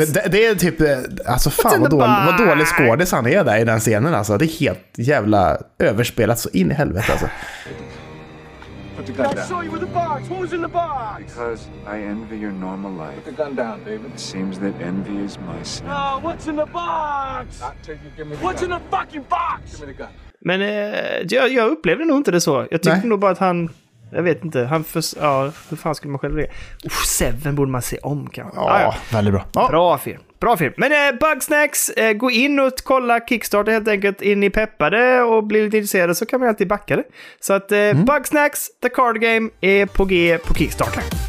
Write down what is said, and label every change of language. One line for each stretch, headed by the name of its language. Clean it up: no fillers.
Swedish: Det är typ, alltså fan vad dålig skådis han är där i den scenen, alltså. Det är helt jävla överspelat så in i helvete, alltså.
English: Put the gun down. I saw you with the box. What was in the box? Because I envy your normal life. Put the gun down, David. It seems that envy is my sin. No, what's in the box? Not till you give me the what's gun. What's in the fucking box? Give me the gun.
Swedish: Men jag upplevde nog inte det så. Jag tyckte nog bara att han... Jag vet inte, hur fan skulle man själv det? Seven borde man se om kanske. Ja, väldigt bra. Bra film. Men Bugsnacks, gå in och kolla Kickstarter helt enkelt. Är ni peppade och blir lite intresserade så kan man alltid backa det. Så att Bugsnacks, The Card Game, är på G på Kickstarter.